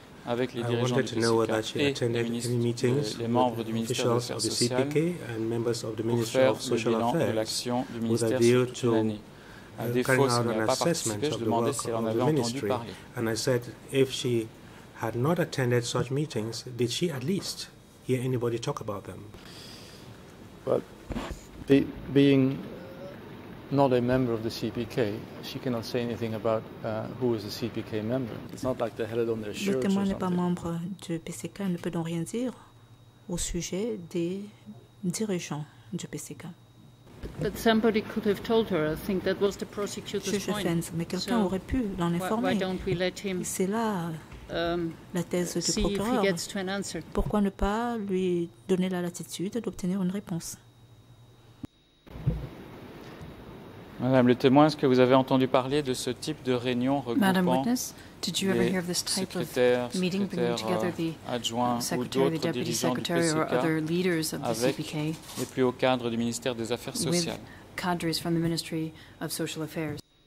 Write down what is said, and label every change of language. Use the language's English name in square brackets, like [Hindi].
[French] avec les dirigeants du PCK et les membres du ministère des Affaires sociales pour faire le bilan de l'action du ministère sur toute l'année. À défaut, si elle n'a pas participé, je demandais si elle en avait entendu parler. Et j'ai dit, si elle n'a pas attendu ces réunions, a-t-elle au moins entendu quelqu'un parler d'eux? [English] Well, being not a member of the CPK, she cannot say anything about who is a CPK member. It's not like they had it on their shirts. [French] Le témoin n'est pas membre du PCK, ne peut donc rien dire au sujet des dirigeants du PCK. [English] But somebody could have told her. I think that was the prosecutor's point. [French] Chefens, mais quelqu'un aurait pu l'en informer. [English] Why don't we let him? [French] C'est là la thèse du procureur. Pourquoi ne pas lui donner la latitude d'obtenir une réponse? Madame le témoin, est-ce que vous avez entendu parler de ce type de réunion regroupant [English] Madame witness, did you ever hear of this type of meeting bringing together the secretary, the deputy secretary or other leaders of the CPK [French] les plus hauts cadres du ministère des Affaires sociales? [English] With cadres from the Ministry of Social Affairs.